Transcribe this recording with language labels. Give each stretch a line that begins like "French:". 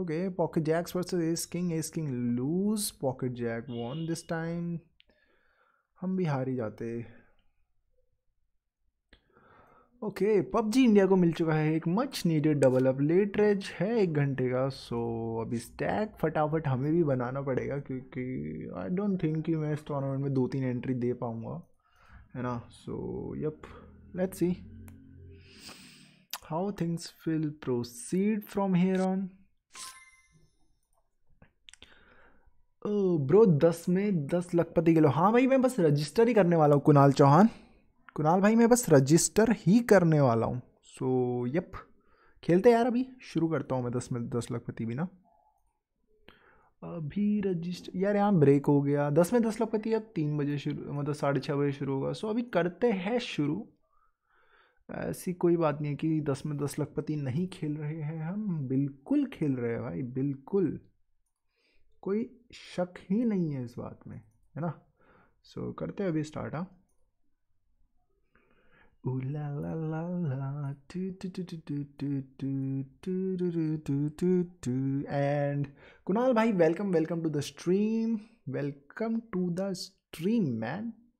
English: Pocket Jacks versus Ace King lose. Pocket Jack won this time.
Hindi: हम भी हार ही जाते. ओके, PUBG इंडिया को मिल चुका है एक
English: Much needed double up.
Hindi: Late raise है एक घंटे का. सो अभी स्टैक फटाफट हमें भी बनाना पड़ेगा, क्योंकि
English: I don't think
Hindi: कि मैं इस टूर्नामेंट में दो तीन एंट्री दे पाऊँगा, है ना.
English: So yup, let's see how things will proceed from here on.
Hindi: Bro 10 में 10 लखपति के लो. हाँ भाई, मैं बस रजिस्टर ही करने वाला हूँ. कुणाल चौहान, कुणाल भाई, मैं बस रजिस्टर ही करने वाला हूँ. सो यप, खेलते यार, अभी शुरू करता हूँ मैं 10 में 10 लखपति बिना. अभी रजिस्टर यार, यहाँ ब्रेक हो गया. 10 में 10 लखपति अब 3 बजे शुरू, मतलब 6:30 बजे शुरू होगा. सो अभी करते हैं शुरू. ऐसी कोई बात नहीं है कि 10 में 10 लखपति नहीं खेल रहे हैं, हम बिल्कुल खेल रहे हैं भाई, बिल्कुल कोई शक ही नहीं है इस बात में, है ना. सो करते हैं अभी स्टार्ट. हाँ, ला ला ला ला, to to to to to to to to.
English: And Kunal भाई, welcome welcome to the stream, welcome to the stream man.